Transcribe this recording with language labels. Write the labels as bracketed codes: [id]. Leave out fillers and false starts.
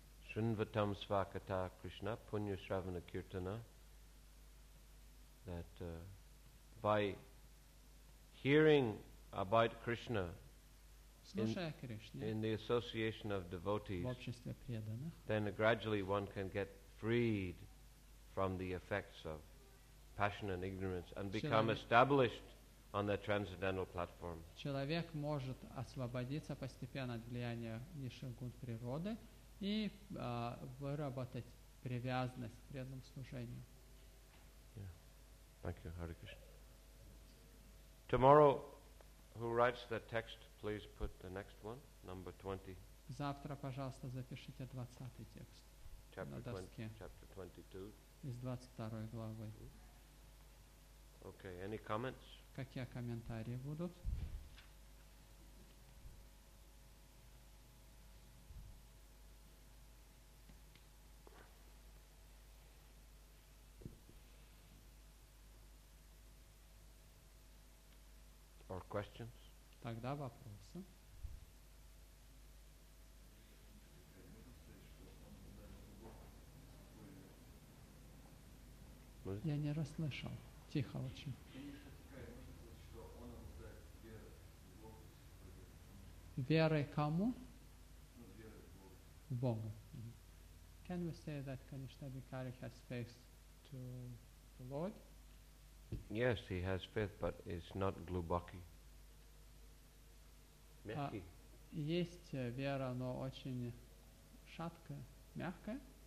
[en] Shrinvatam Svakata Krishna Punya Shravana Kirtana, that by hearing about Krishna in the association of devotees, then gradually one can get freed from the effects of passion and ignorance and become established on the transcendental platform. [ru] Человек может освободиться постепенно от влияния низших гун природы и выработать привязанность к преданному служению. [en] Yeah. Thank you, Hare Krishna. Tomorrow, who writes the text, please put the next one, number 20. [ru] Завтра, пожалуйста, запишите 20-й текст на доске. [en] Chapter 22. [ru] Из 22-й главы. [en] Okay, any comments? [ru] Какие комментарии будут? [en] Or questions? [ru] Тогда вопросы. Я не расслышал. Тихо очень. Верой кому? Богу. [en] Can we say that Kanishtha Bhikkhari has faith to the Lord? Yes, he has faith, but it's not [ru] glubaki. Есть вера, но очень шаткая, мягкая.